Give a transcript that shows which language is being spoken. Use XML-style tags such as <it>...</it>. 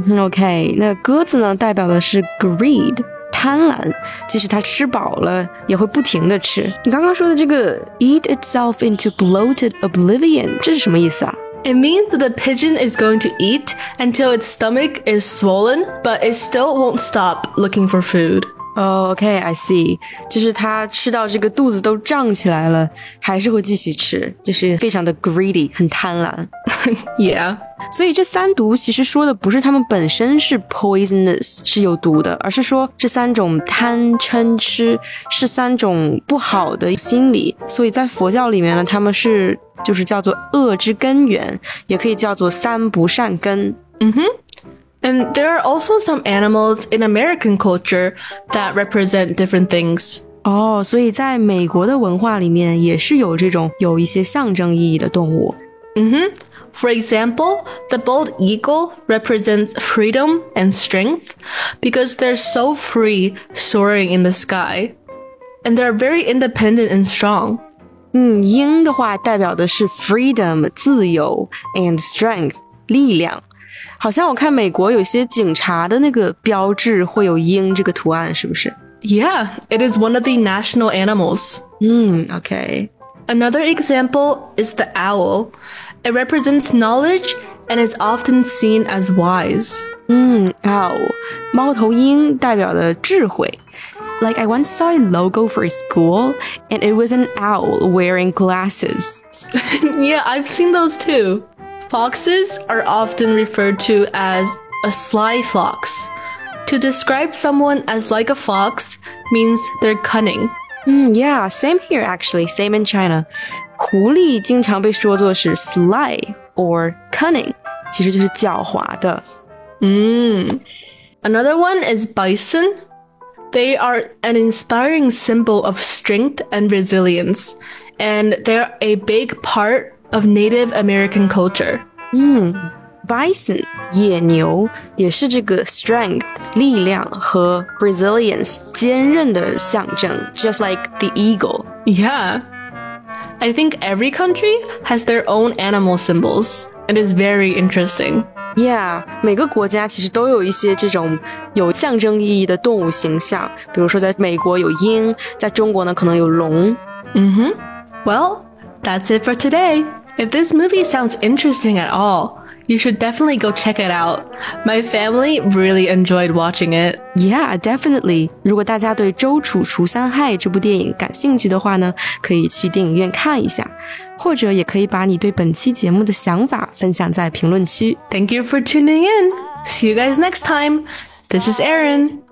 <zh>Okay, 那鸽子呢代表的是 greed, 贪婪，即使它吃饱了也会不停地吃。你刚刚说的这个</zh> <en>eat itself into bloated oblivion,</en> <zh>这是什么意思啊？</zh> <en>It means that the pigeon is going to eat until its stomach is swollen, but it still won't stop looking for food. Oh, okay, I see.</en> <zh>就是他吃到这个肚子都胀起来了，还是会继续吃，就是非常的 greedy, 很贪婪。</zh> <en>Yeah.</en> <zh>所以这三毒其实说的不是他们本身是 poisonous, 是有毒的，而是说这三种贪嗔痴是三种不好的心理。所以在佛教里面呢，他们是就是叫做恶之根源，也可以叫做三不善根。 Mm-hmm.</zh> <en>And there are also some animals in American culture that represent different things.</en> <zh>Oh, 所以在美国的文化里面也是有这种有一些象征意义的动物。 Mm-hmm.</zh> <en>For example, the bald eagle represents freedom and strength because they're so free soaring in the sky. And they're very independent and strong.</en> <zh>鹰的话代表的是 freedom, 自由</zh> <en>and strength,</en> <zh>力量。好像我看美国有些警察的那个标志会有鹰这个图案，是不是？</zh> <en>Yeah, it is one of the national animals. Okay. Another example is the owl. It represents knowledge and is often seen as wise.</en> <zh>Owl, 猫头鹰代表的智慧。</zh> <en>Like I once saw a logo for a school, and it was an owl wearing glasses. Yeah, I've seen those too. Foxes are often referred to as a sly fox. To describe someone as like a fox means they're cunning. Yeah, same here actually, same in China.</en> <zh>狐狸经常被说作是</zh> <en>sly or cunning,</en> <zh>其实就是狡猾的。</zh> <en>Another one is bison. They are an inspiring symbol of strength and resilience, and they're a big part of Native American culture.</en> <zh>Bison, 野牛也是这个 strength, 力量和 resilience, 坚韧的象征</zh> <en>just like the eagle. Yeah. I think every country has their own animal symbols, and it's very interesting.</en> <zh>Yeah, 每个国家其实都有一些这种有象征意义的动物形象，比如说在美国有鹰，在中国呢可能有龙。</zh> <en>Well, that's it for today. If this movie sounds interesting at all, you should definitely go check it out. My family really enjoyed watching it. Yeah, definitely.</en> <zh>如果大家对周楚除三害这部电影感兴趣的话呢，可以去电影院看一下，或者也可以把你对本期节目的想法分享在评论区。</zh> <en>Thank you for tuning in. See you guys next time. This is Aaron.</en>